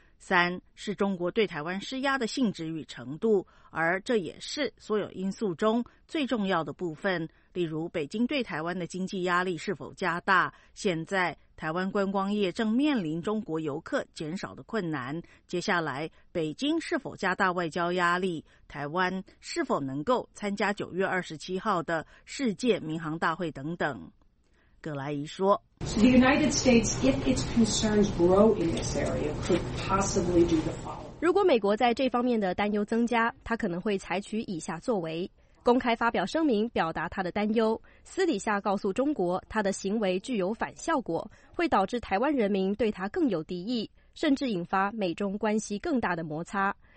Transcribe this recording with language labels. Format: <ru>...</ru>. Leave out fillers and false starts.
<zh>三是中国对台湾施压的性质与程度，而这也是所有因素中最重要的部分，例如北京对台湾的经济压力是否加大，现在台湾观光业正面临中国游客减少的困难，接下来北京是否加大外交压力，台湾是否能够参加9月27号的世界民航大会等等。葛莱仪说，</zh> <en>The United States, if its concerns grow in this area, could possibly do the following.</en> <zh>如果美国在这方面的担忧增加，他可能会采取以下作为：公开发表声明表达他的担忧，私底下告诉中国他的行为具有反效果，会导致台湾人民对他更有敌意，甚至引发美中关系更大的摩擦。</zh>